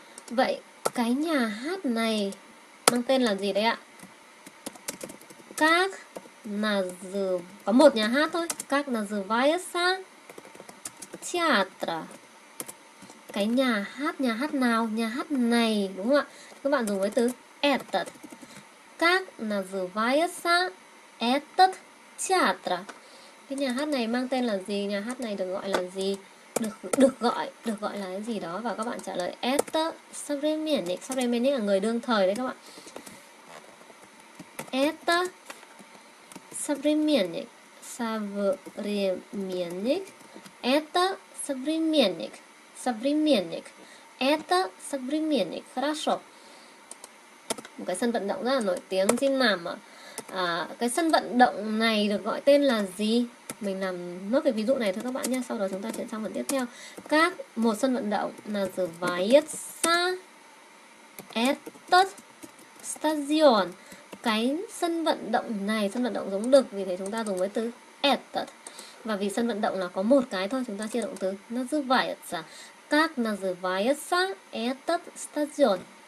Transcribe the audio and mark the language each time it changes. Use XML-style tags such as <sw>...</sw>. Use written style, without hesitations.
<vi>Vậy cái nhà hát này mang tên là gì đấy ạ?</vi> <ru>Как называется.</ru> <vi>Có một nhà hát thôi.</vi> <ru>Как называется театр.</ru> <vi>Cái nhà hát nào, nhà hát này, đúng không ạ? Các bạn dùng với từ этот.</vi> <ru>Как называется этот театр.</ru> <vi>Cái nhà hát này mang tên là gì, nhà hát này được gọi là gì, được gọi là cái gì đó, và các bạn trả lời</vi> <ru>это современник.</ru> <vi>Современник là người đương thời đấy các bạn.</vi> <ru>Это современник. Современник. Это современник. Современник. Это современник. Хорошо.</ru> <vi>Một cái sân vận động rất là nổi tiếng trên mạng mà. Cái sân vận động này được gọi tên là gì? Mình làm nốt cái ví dụ này thôi các bạn nha. Sau đó chúng ta chuyển sang phần tiếp theo. Các một sân vận động là</vi> <ru>называется этот стадион.</ru> <vi>Cái sân vận động này, sân vận động giống đực, vì thế chúng ta dùng với từ этот. Và vì sân vận động là có một cái thôi, chúng ta chia động từ называется.</vi> <ru>Как называется этот стадион?</ru>